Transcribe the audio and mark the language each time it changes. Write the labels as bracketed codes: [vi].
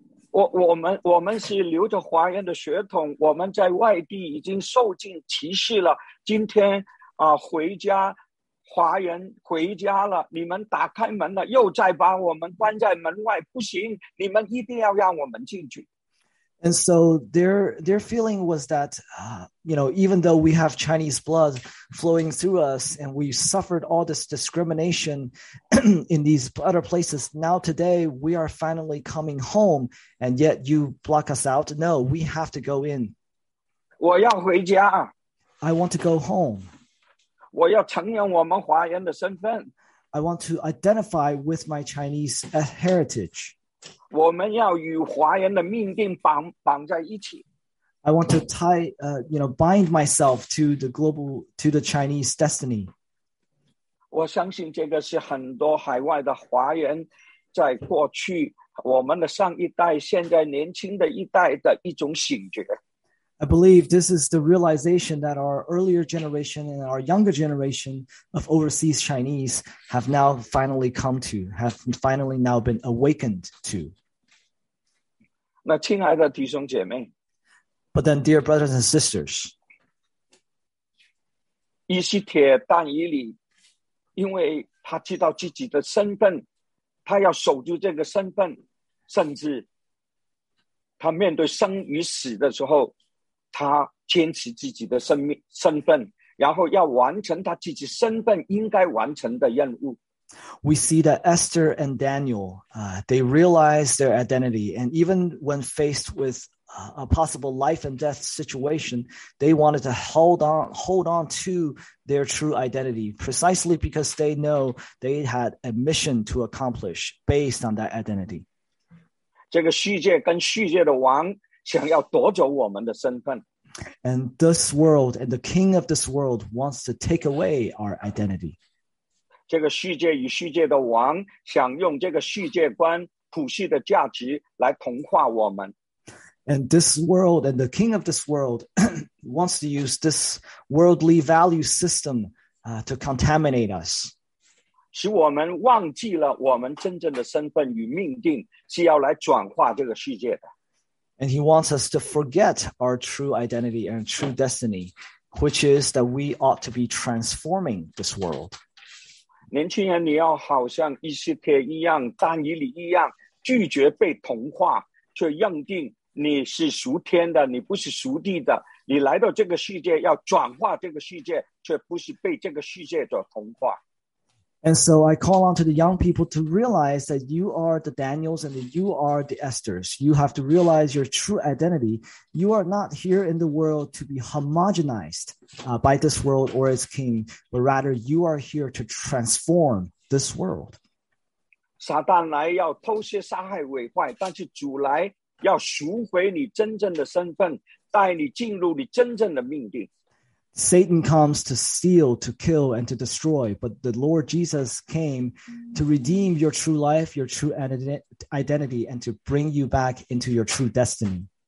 [zh] 我们是留着华人的血统，我们在外地已经受尽歧视了，今天回家，华人回家了，你们打开门了，又再把我们关在门外，不行，你们一定要让我们进去。 [en] And so their feeling was that, you know, even though we have Chinese blood flowing through us and we suffered all this discrimination in these other places, now today we are finally coming home and yet you block us out. No, we have to go in. [zh] 我要回家。 [en] I want to go home. [zh] 我要承认我们华人的身份。 [en] I want to identify with my Chinese heritage. [zh] 我们要与华人的命定 绑在一起。 [en] I want to tie, you know, bind myself to the global, to the Chinese destiny. [zh] 我相信这个是很多海外的华人在过去我们的上一代现在年轻的一代的一种醒觉。 [en] I believe this is the realization that our earlier generation and our younger generation of overseas Chinese have now finally come to, have finally now been awakened to. [zh] 那亲爱的弟兄姐妹, [en] But then, dear brothers and sisters, [zh] 以西帖但以理, 因为他知道自己的身份, 他要守住这个身份, 甚至他面对生与死的时候,他坚持自己的身份，然后要完成他自己身份应该完成的任务。 [en] We see that Esther and Daniel, they realize their identity, and even when faced with a possible life and death situation, they wanted to hold on to their true identity, precisely because they know they had a mission to accomplish based on that identity. [zh] 这个世界跟世界的王想要夺走我们的身份。 [en] And this world and the king of this world wants to take away our identity. [zh] 这个世界与世界的王想用这个世界观普世的价值来同化我们。 [en] And this world and the king of this world wants to use this worldly value system to contaminate us. [zh] 使我们忘记了我们真正的身份与命定是要来转化这个世界的。 [en] And he wants us to forget our true identity and true destiny, which is that we ought to be transforming this world. [zh] 年轻人，你要好像以西帖一样，但以理一样，拒绝被同化，却认定你是属天的，你不是属地的。你来到这个世界，要转化这个世界，却不是被这个世界所同化。 [en] And so I call on to the young people to realize that you are the Daniels and that you are the Esthers. You have to realize your true identity. You are not here in the world to be homogenized by this world or its king, but rather you are here to transform this world. [zh] 撒旦来要偷窃、杀害、毁坏， 但是主来要赎回你真正的身份， 带你进入你真正的命定。 [en] Satan comes to steal, to kill, and to destroy, but the Lord Jesus came to redeem your true life, your true identity, and to bring you back into your true destiny.